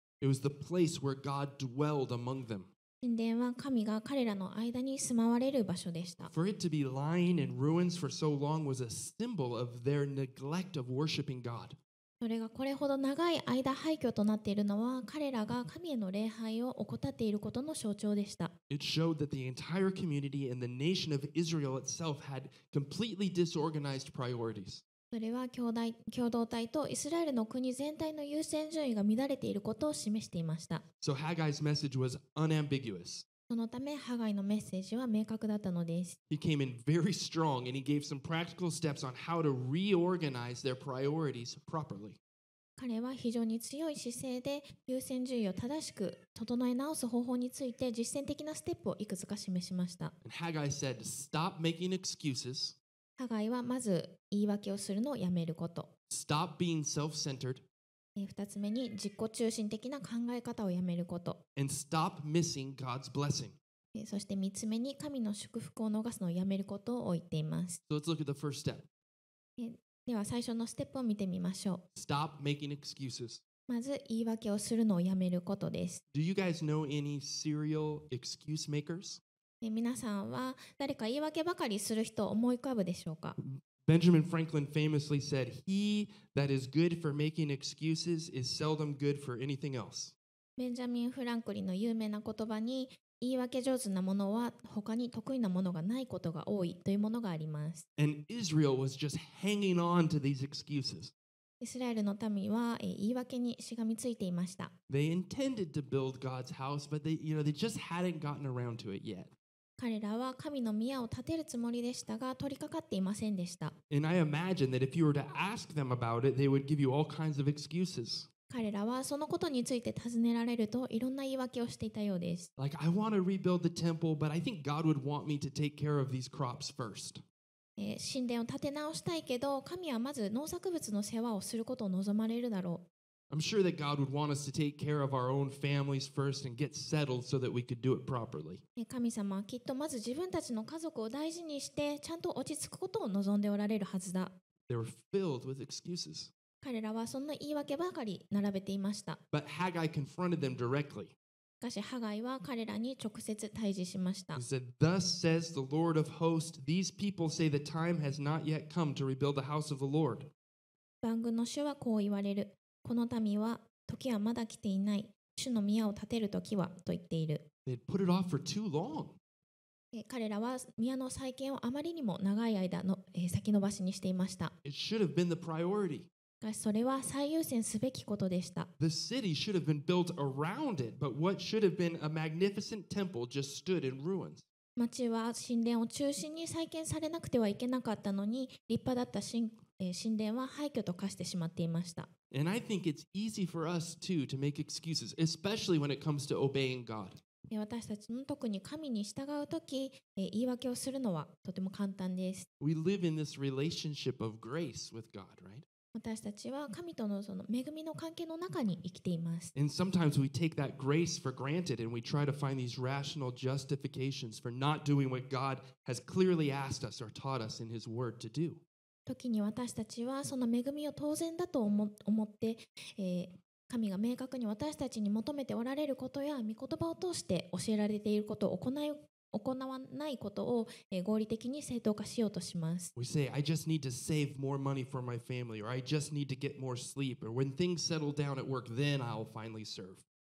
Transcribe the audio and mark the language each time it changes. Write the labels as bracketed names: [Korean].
[English] It was the place where God dwelled among them. [Japanese] 神殿は神が彼らの間に住まわれる場所でした。 [English] For it to be lying in ruins for so long was a symbol of their neglect of worshiping God. [Japanese] それがこれほど長い間廃墟となっているのは彼らが神への礼拝を怠っていることの象徴でした。 [English] It showed that the entire community and the nation of Israel itself had completely disorganized priorities. [Japanese] それは共同体とイスラエルの国全体の優先順位が乱れていることを示していました。 [English] So Haggai's message was unambiguous. [Japanese] そのためハガイのメッセージは明確だったのです。 [English] He came in very strong and he gave some practical steps on how to reorganize their priorities properly. [Japanese] 彼は非常に強い姿勢で優先順位を正しく整え直す方法について実践的なステップをいくつか示しました。 [English] And Haggai said, stop making excuses. [Japanese] ハガイはまず言い訳をするのをやめること。 [English] Stop being self-centered. [Japanese] 2つ目に自己中心的な考え方をやめること。 [English] And stop missing God's blessing. [Japanese] そして3つ目に神の祝福を逃すのをやめることを言っています。 [English] So let's look at the first step. [Japanese] では最初のステップを見てみましょう。 [English] Stop making excuses. [Japanese] まず言い訳をするのをやめることです。 [English] Do you guys know any serial excuse makers? [Japanese] 皆さんは誰か言い訳ばかりする人を思い浮かぶでしょうか? [English] Benjamin Franklin famously said, "He that is good for making excuses is seldom good for anything else." [Japanese] Benjamin Franklin の有名な言葉に、言い訳上手なものは他に得意なものがないことが多いというものがあります。 [English] And Israel was just hanging on to these excuses. [Japanese] イスラエルの民は言い訳にしがみついていました。 [English] They intended to build God's house, but they just hadn't gotten around to it yet. [Japanese] 彼らは神の宮を建てるつもりでしたが取り掛かっていませんでした。 [English] And I imagine that if you were to ask them about it, they would give you all kinds of excuses. [Japanese] 彼らはそのことについて尋ねられるといろんな言い訳をしていたようです。 [English] Like, I want to rebuild the temple, but I think God would want me to take care of these crops first. [Japanese] 神殿を建て直したいけど、神はまず農作物の世話をすることを望まれるだろう。 [English] I'm sure that God would want us to take care of our own families first and get settled so that we could do it properly. [Japanese] 神様はきっとまず自分たちの家族を大事にしてちゃんと落ち着くことを望んでおられるはずだ。 [English] They were filled with excuses. [Japanese] 彼らはそんな言い訳ばかり並べていました。 [English] But Haggai confronted them directly. [Japanese] しかし、ハガイは彼らに直接対峙しました。 [English] He said, Thus says the Lord of hosts, these people say the time has not yet come to rebuild the house of the Lord. [Japanese] 万軍の主はこう言われる。この民は時はまだ来ていない。主の宮を建てる時はと言っている。 [English] They'd put it off for too long. [Japanese] 彼らは宮の再建をあまりにも長い間の先延ばしにしていました。 [English] It should have been the priority. [Japanese] しかしそれは最優先すべきことでした。 [English] The city should have been built around it, but what should have been a magnificent temple just stood in ruins. [Japanese] 町は神殿を中心に再建されなくてはいけなかったのに、立派だった神殿は廃墟と化してしまっていました。 [English] And I think it's easy for us too to make excuses, especially when it comes to obeying God. [Japanese] 私たちの特に神に従うとき、言い訳をするのはとても簡単です。 [English] We live in this relationship of grace with God, right? [Japanese] 私たちは神と その恵みの関係の中に生きています。 [English] And sometimes we take that grace for granted and we try to find these rational justifications for not doing what God has clearly asked us or taught us in His Word to do. [Japanese] 時に私たちはその恵みを当然だと思って、神が明確に私たちに求めておられることや御言葉を通して教えられていることを行わないことを合理的に正当化しようとします。 [English] We say, I just need to save more money for my family, or I just need to get more sleep, or when things settle down at work, then I'll finally serve.